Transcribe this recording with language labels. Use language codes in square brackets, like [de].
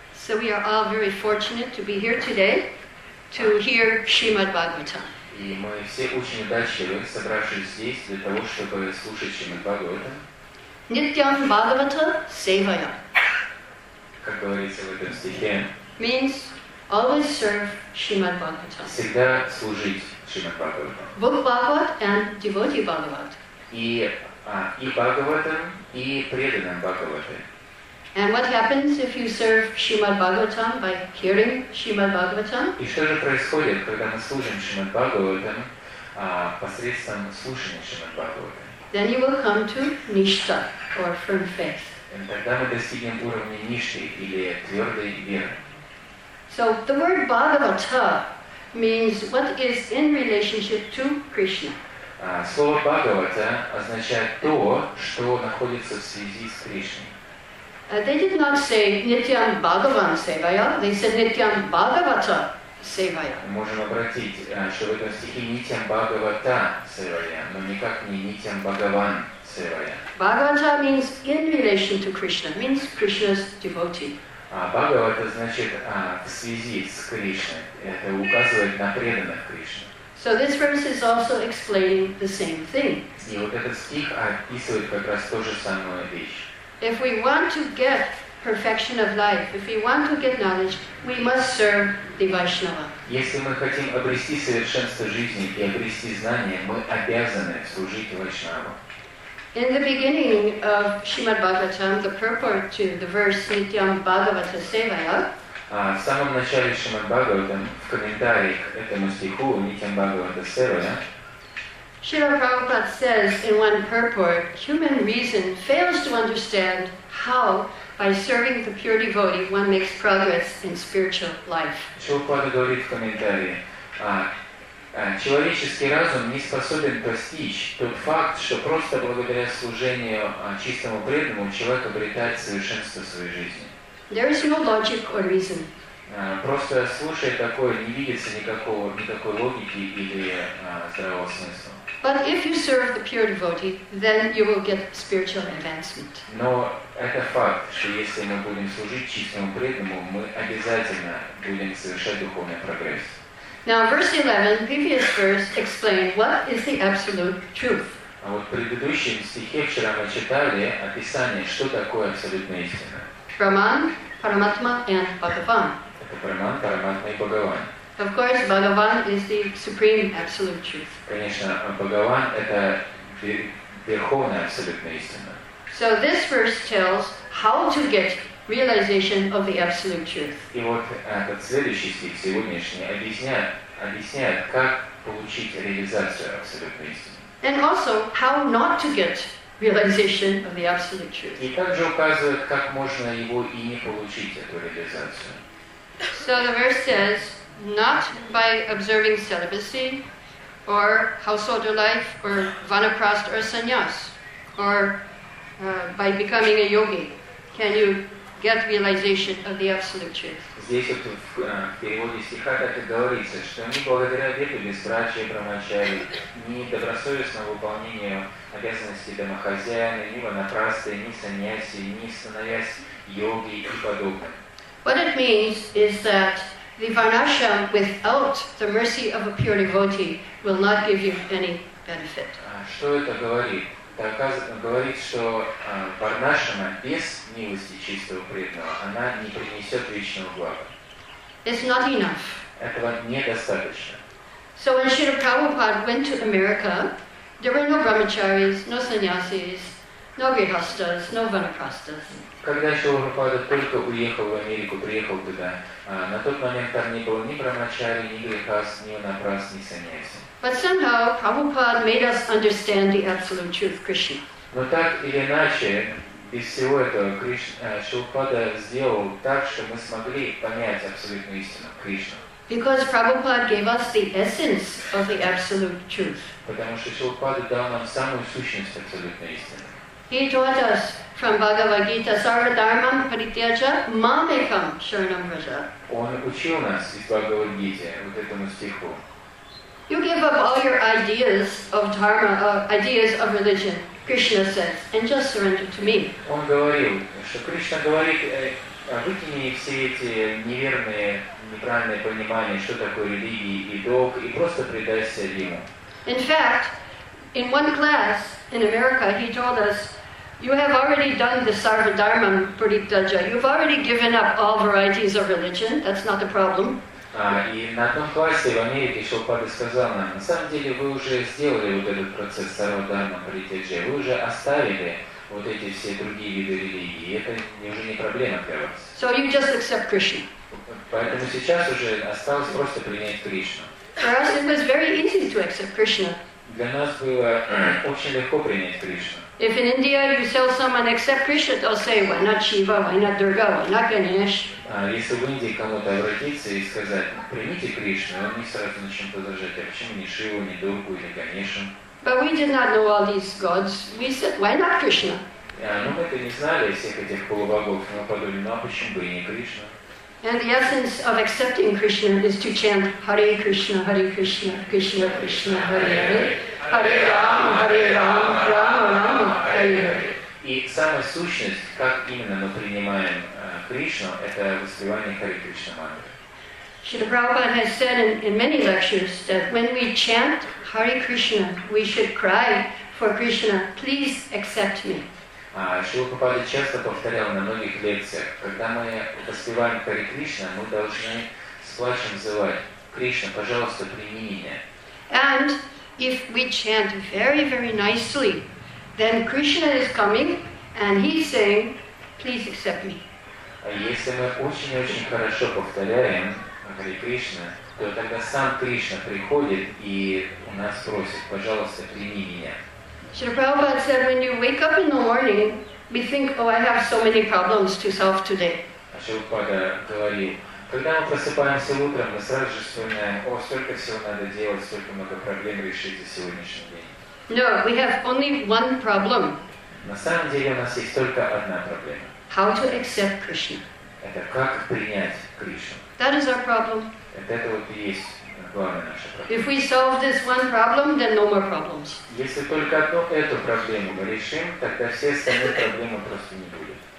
[en] So we are all very fortunate to be here today to hear Srimad Bhagavatam. [ru] И мы все очень удачливы, собравшись здесь для того, чтобы слушать Шримад Бхагаватам. [sa] Nityam Bhagavata Sevaya. [ru] Как говорится в этом стихе. [en] Means always serve Srimad Bhagavatam. [ru] Всегда служить Шримад Бхагаватам. [en] Book Bhagavat and Devotee Bhagavat. [ru] И Бхагаватам, и преданным Бхагаватам. [en] And what happens if you serve Srimad Bhagavatam by hearing Srimad Bhagavatam? [ru] И что же происходит, когда мы служим Шримад Бхагаватам посредством слушания Шримад Бхагаватам? [en] Then you will come to Nishta, or firm faith. [ru] And тогда мы достигнем уровня ништи или твердой веры. [en] So the word Bhagavata means what is in relationship to Krishna. [ru] Слово Бхагавата означает то, что находится в связи с Кришной. [en] They did not say [sa] Nityam Bhagavan Sevaya, [en] they said [sa] Nityam Bhagavata Sevaya. [ru] Мы можем обратить, что в этом стихе [sa] Nityam Bhagavata Sevaya, [ru] но никак не [sa] Nityam Bhagavan Sevaya. [en] Bhagavata means in relation to Krishna, means Krishna's devotee. [ru] Bhagavata значит в связи с Кришной, это указывает на преданных Кришне. [en] So this verse is also explaining the same thing. [ru] И вот этот стих описывает как раз ту же самую вещь. [en] If we want to get perfection of life, if we want to get knowledge, we must serve the Vaishnava. [ru] Если мы хотим обрести совершенство жизни и обрести знания, мы обязаны служить Вайшнаву. [en] In the beginning of Srimad Bhagavatam, the purport to the verse [sa] Nityam Bhagavata Sevaya. [ru] В самом начале Srimad Bhagavatam, в комментарии к этому стиху [sa] Nityam Bhagavata Sevaya. [en] Srila Prabhupada says in one purport, human reason fails to understand how, by serving the pure devotee, one makes progress in spiritual life. [ru] Srila Prabhupada говорит в комментарии, человеческий разум не способен постичь тот факт, что просто благодаря служению чистому преданному человек обретает совершенство своей жизни. [en] There is no logic or reason. [ru] Просто слушая такое, не видится никакой логики или здравого смысла. [en] But if you serve the pure devotee, then you will get spiritual advancement. [ru] Но это факт, что если мы будем служить чистому преданному, мы обязательно будем совершать духовный прогресс. [en] Now, verse 11, previous verse, explained what is the absolute truth. [ru] А вот в предыдущем стихе вчера мы читали описание, что такое абсолютная истина. [en] Brahman, Paramatma, and Bhagavan. [ru] Это Brahman, Paramatma и Bhagavan. [en] Of course, Bhagavan is the supreme absolute truth. [ru] Конечно, Бхагаван это верховная абсолютная истина. [en] So this verse tells how to get realization of the absolute truth. [ru] И вот этот следующий стих сегодняшний объясняет, как получить реализацию абсолютной истины. [en] And also how not to get realization of the absolute truth. [ru] И также указывает, как можно его и не получить эту реализацию. [en] So the verse says. Not by observing celibacy, or householder life, or vanaprast, or sannyas, or by becoming a yogi, can you get realization of the absolute truth? [ru] Здесь вот в переводе стиха так и говорится, что не благодаря обету безбрачия, брамачари, ни добросовестному выполнению обязанностей домохозяина, ни ванапрасты, ни саньяси, ни становясь йоги и подобное. [en] What it means is that the Varnashram without the mercy of a pure devotee will not give you any benefit. [ru] Что это говорит? говорит, что варнашрама без милости чистого преданного, она не принесет вечного блага. [en] It's not enough. [ru] Этого недостаточно. [en] So when Srila Prabhupada went to America, there were no brahmacharis, no sannyasis, no grihastas, no vanaprastas. [ru] Когда Шрила Прабхупада только уехал в Америку, приехал туда, на тот момент там не было ни брахмачари, ни грихас, ни ванапрас, ни саньяси. [en] But somehow Prabhupada made us understand the absolute truth of Krishna. [ru] Но так или иначе, из всего этого Шрила Прабхупада сделал так, что мы смогли понять абсолютную истину Кришну. [en] Because Prabhupada gave us the essence of the absolute truth. [ru] Потому что Шрила Прабхупада дал нам самую сущность абсолютной истины. [en] He taught us from Bhagavad Gita, [sa] Sarva Dharmam Parityaja, Mam Ekam Sharanam Raja. [ru] Он учил нас из Bhagavad Gita, вот этому стиху. [en] You give up all your ideas of dharma, ideas of religion, Krishna says, and just surrender to me. [ru] Он говорил, что Кришна говорит, выкини все эти неверные, неправильные понимания, что такое религия и долг, и просто предайся ему. [en] In fact, in one class in America, he told us, you have already done the [sa] Sarva Dharmam Paritaja. [en] You've already given up all varieties of religion. That's not the problem. [ru] И на одном классе в Америке Шилпада сказал нам, на самом деле вы уже сделали вот этот процесс Сарва Дармам Паритаджа. Вы уже оставили вот эти все другие виды религии. Это уже не проблема для вас. [en] So you just accept Krishna. [ru] Поэтому сейчас уже осталось просто принять Кришну. [en] For us it was very easy to accept Krishna. [ru] Для нас было очень легко принять Кришну. [en] If in India you sell someone except Krishna, they'll say, why not Shiva, why not Durga, why not Ganesh? [ru] Если в Индии кому-то обратиться и сказать, примите Кришну, он не сразу начнет подражать, а почему не Шиву, не Дургу или Ганешу? [en] But we did not know all these gods. We said, why not Krishna? [ru] Ну мы-то не знали всех этих полубогов, но подумали, ну а почему бы и не Кришна? [en] And the essence of accepting Krishna is to chant [sa] Hare Krishna, Hare Krishna, Krishna Krishna, Hare Hare, [en] Hare Rama, Hare Rama, Rama Rama, Hare Hare. [ru] И самая сущность, как именно мы принимаем Кришну, это воспевание Hare Krishna мантры. [en] Srila Prabhupada has said in many lectures that when we chant Hare Krishna, we should cry for Krishna, please accept me. [ru] Шрила Прабхупада часто повторял на многих лекциях, когда мы воспеваем Хари Кришна, мы должны с плачем взывать, Кришна, пожалуйста, прими меня. [en] And if we chant very, very nicely, then Krishna is coming and he's saying, please accept me. [ru] Если мы очень-очень хорошо повторяем Хари Кришна, то тогда сам Кришна приходит и у нас просит, пожалуйста, прими меня. [en] Srila Prabhupada said, when you wake up in the morning, we think, oh, I have so many problems to solve today. [ru] Srila Prabhupada говорил, когда мы просыпаемся утром, мы сразу же вспоминаем, о, столько всего надо делать, столько много проблем решить за сегодняшний день. [en] No, we have only one problem. [ru] На самом деле у нас есть только одна проблема. [en] How to accept Krishna. [ru] Это как принять Кришну. [en] That is our problem. [ru] Это вот и есть. [en] If we solve this one problem, then no more problems. [ru] Если только одну эту проблему мы решим, тогда все остальные проблемы просто не будет.